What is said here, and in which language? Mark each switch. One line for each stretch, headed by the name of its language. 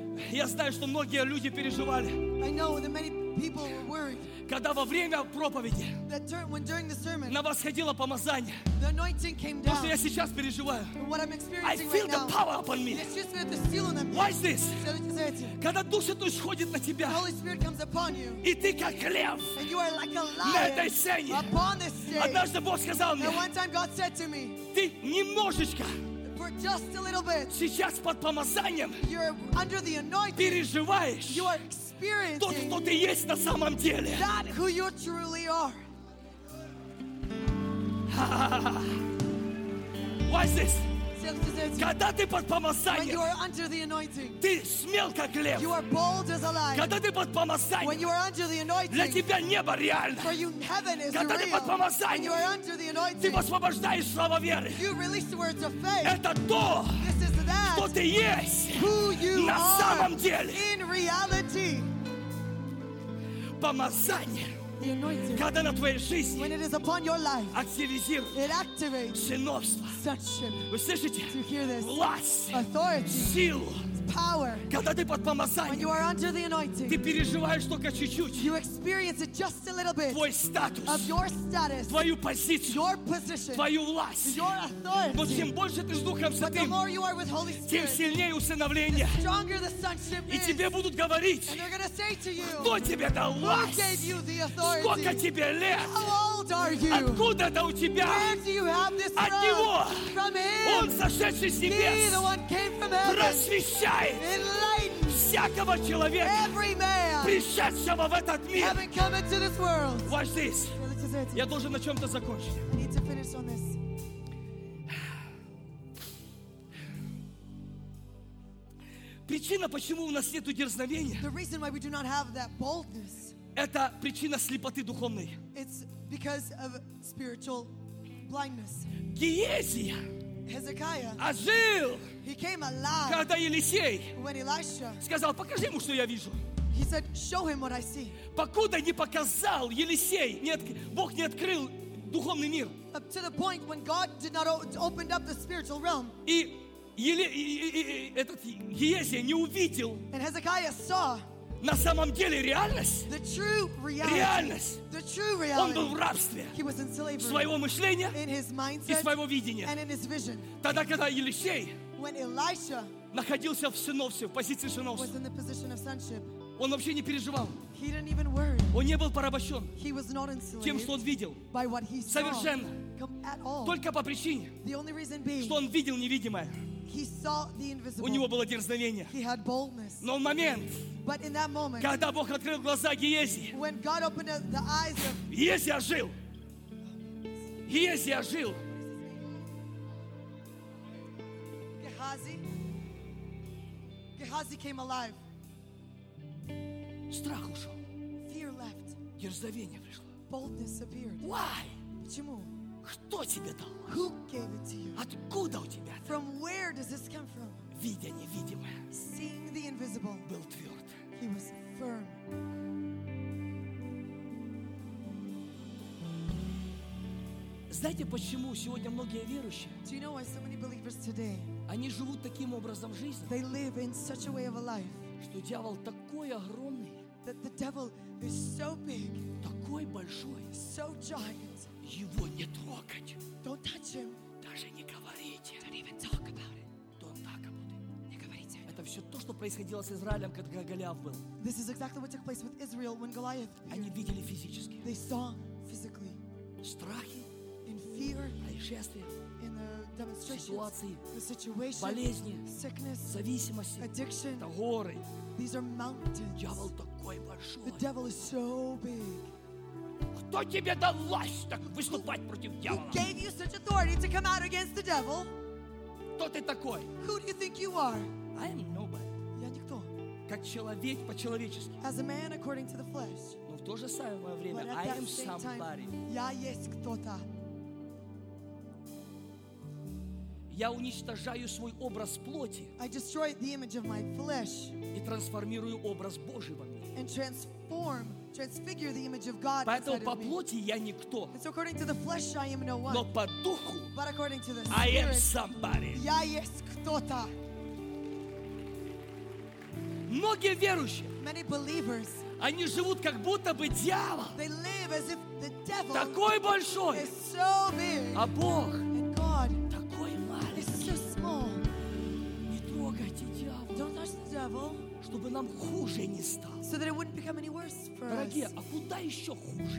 Russian: Я знаю, что многие люди переживали.
English: I know that many people were worried.
Russian: Когда во время проповеди на вас ходило помазание.
English: The anointing came down.
Russian: То, что я сейчас переживаю.
English: What I'm experiencing I feel right now, the power upon me. It's just the seal on me. Why is this? So
Russian: когда Дух Святой сходит на тебя.
English: The Holy Spirit comes upon you,
Russian: и ты как лев
English: and you are like a lion
Russian: на этой сцене.
English: Upon this stage.
Russian: Однажды Бог сказал мне,
English: one time God said to me,
Russian: ты немножечко
English: just a little bit.
Russian: Сейчас под помазанием
English: you're under the anointing.
Russian: Переживаешь
English: you are experiencing
Russian: тот, кто ты есть на самом деле.
English: That who you truly are. Why is this? So,
Russian: когда ты под помазанием
English: when you are under the anointing,
Russian: ты смел как лев.
English: You are bold as a lion.
Russian: Когда ты под помазанием
English: when you are under the anointing,
Russian: для тебя небо реально.
English: For you, heaven is
Russian: когда
English: real.
Russian: Ты под помазанием
English: when you are under the anointing,
Russian: ты высвобождаешь слово веры.
English: You release the words of faith.
Russian: Это то,
English: this is that,
Russian: кто ты есть
English: who you
Russian: на
English: are
Russian: самом деле.
English: In reality.
Russian: Помазание когда на твоей жизни
English: when it is upon your life,
Russian: активизирует
English: it
Russian: сыновство.
English: Sonship.
Russian: Вы слышите?
English: Do you hear this?
Russian: Власть.
English: Authority.
Russian: Силу.
English: power,
Russian: когда ты под помазанием,
English: when you are under the anointing,
Russian: ты переживаешь только чуть-чуть,
English: you experience it just a little bit,
Russian: твой статус,
English: of your status,
Russian: твою позицию,
English: your position,
Russian: твою власть,
English: your authority.
Russian: Но чем больше ты с Духом Святым,
English: Spirit,
Russian: тем сильнее усыновление,
English: the stronger the sonship
Russian: и тебе будут говорить,
English: and they're gonna say to you,
Russian: кто тебе дал власть,
English: who gave you the authority?
Russian: Сколько тебе лет,
English: how old are you?
Russian: Откуда это у тебя,
English: where do you have this
Russian: от
English: from?
Russian: Него,
English: from him.
Russian: Он сошедший с небес,
English: he, the one came from heaven.
Russian: Просвещает всякого человека,
English: every man,
Russian: пришедшего в этот мир.
English: Haven't come into this world. Watch this.
Russian: Я должен на чем-то закончить.
English: Need to finish on this.
Russian: Причина, почему у нас нет дерзновения,
English: the reason why we do not have that boldness,
Russian: это причина слепоты духовной.
English: It's because of spiritual blindness.
Russian: Гиезия.
English: Hezekiah,
Russian: ожил,
English: he came alive,
Russian: когда Елисей,
English: when Elisha,
Russian: сказал, покажи ему, что я вижу.
English: He said, show him what I see.
Russian: Покуда не показал Елисей, Бог не открыл духовный мир.
English: Up to the point when God did not open up the spiritual realm.
Russian: Этот Гиезия не увидел.
English: And Hezekiah saw.
Russian: На самом деле реальность.
English: The true reality.
Russian: Реальность.
English: The true reality.
Russian: Он был в рабстве.
English: He was in slavery.
Russian: Своего мышления.
English: In his mindset.
Russian: И своего видения.
English: And in his vision.
Russian: Тогда, когда Елисей.
English: When Elisha.
Russian: Находился в сыновстве, в позиции сыновства.
English: Was in the position of sonship.
Russian: Он вообще не переживал.
English: He didn't even worry.
Russian: Он не был порабощен.
English: He was not enslaved.
Russian: Тем, что он видел.
English: By what he saw.
Russian: Совершенно.
English: At all.
Russian: Только по причине.
English: The only reason being.
Russian: Что он видел невидимое.
English: He saw the invisible.
Russian: У него было дерзновение.
English: He had boldness.
Russian: Но в момент.
English: But in that moment,
Russian: когда Бог открыл глаза Гиезии,
English: when God opened the eyes of
Russian: Гиезия ожил. Гиезия ожил. Гехази.
English: Гехази came alive.
Russian: Страх ушел.
English: Fear left.
Russian: Дерзновение пришло.
English: Boldness appeared. Why?
Russian: Почему? Кто тебе дал?
English: Who gave it to you?
Russian: Откуда у тебя?
English: From where does this come from?
Russian: Видя невидимое.
English: Seeing the invisible.
Russian: Был тверд.
English: He was firm.
Russian: Знаете, почему сегодня многие верующие?
English: Do you know why so many believers today?
Russian: Они живут таким образом жизни.
English: They live in such a way of a life.
Russian: Что дьявол такой огромный?
English: That the devil is so big.
Russian: Такой большой.
English: So giant.
Russian: Его не трогать.
English: Don't touch him. Даже не говорите. Don't even talk about it. Don't talk about it.
Russian: Все то, что происходило с Израилем, когда Голиаф был.
English: This is exactly what took place with Israel when Goliath.
Russian: Они видели физически.
English: They saw physically.
Russian: Страхи.
English: In fear.
Russian: Происшествия.
English: In the demonstrations.
Russian: Ситуации.
English: The situation.
Russian: Болезни.
English: Sickness.
Russian: Зависимости.
English: Addiction.
Russian: Это горы.
English: These are mountains.
Russian: Дьявол такой большой.
English: The devil is so big.
Russian: Кто тебе дал власть так выступать против дьявола?
English: Who gave you such authority to come out against the devil?
Russian: Кто ты такой?
English: Who do you think you are? I am nobody.
Russian: Я никто. Как человек по-человечески. As a man according to the flesh. Но в то же самое время
English: I am somebody.
Russian: Я есть кто-то. Я уничтожаю свой образ плоти.
English: I destroy the image of my flesh.
Russian: И трансформирую образ Божий во мне.
English: And transfigure the image of God.
Russian: Поэтому по плоти я никто.
English: And so according to the flesh I am no one.
Russian: Но по духу.
English: But according to the spirit. I am somebody.
Russian: Я есть кто-то. Многие верующие,
English: many believers,
Russian: они живут как будто бы дьявол,
English: they live as if the devil
Russian: такой большой,
English: is so big,
Russian: а Бог
English: and God
Russian: такой маленький.
English: Is so small.
Russian: Не трогайте дьявола,
English: don't touch the devil,
Russian: чтобы нам хуже не стало.
English: So that it wouldn't become any worse for us.
Russian: Дорогие, а куда еще хуже?